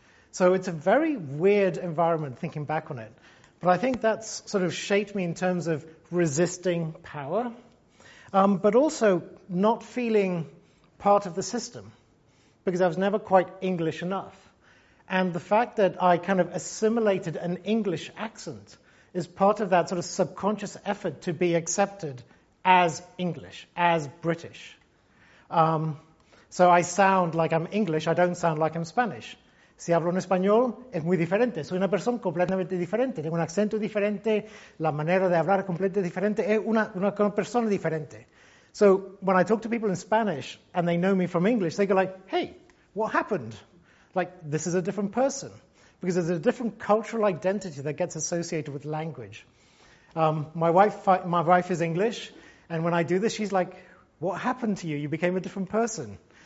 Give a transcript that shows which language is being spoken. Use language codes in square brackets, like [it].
[en] So it's a very weird environment, thinking back on it. But I think that's sort of shaped me in terms of resisting power, but also not feeling part of the system, because I was never quite English enough. And the fact that I kind of assimilated an English accent is part of that sort of subconscious effort to be accepted as English, as British. So I sound like I'm English, I don't sound like I'm Spanish. [es] Si hablo en español, es muy diferente. Soy una persona completamente diferente. Tengo un acento diferente. La manera de hablar es completamente diferente. Es una persona diferente. [en] So when I talk to people in Spanish and they know me from English, they go like, hey, what happened? Like, this is a different person. Because there's a different cultural identity that gets associated with language. My wife is English. And when I do this, she's like, what happened to you? You became a different person.